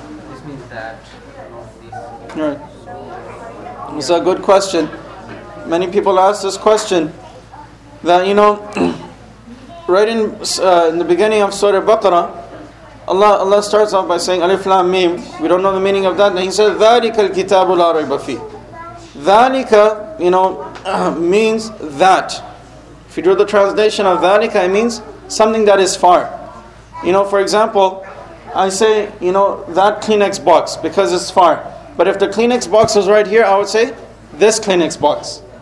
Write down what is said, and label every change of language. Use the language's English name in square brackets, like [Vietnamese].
[English] This means that, not this. Right. Yeah. It's a good question. Many people ask this question. That, you know, right in the beginning of Surah Baqarah, Allah starts off by saying Alif Lam Mim. We don't know the meaning of that. And He says, [Arabic] ذَلِكَ الْكِتَابُ لَا رَيْبَ فِيهِ. [English] ذَلِكَ, you know, means that. If you do the translation of Dhalika, it means something that is far. You know, for example, I say, you know, that Kleenex box, because it's far. But if the Kleenex box was right here, I would say this Kleenex box.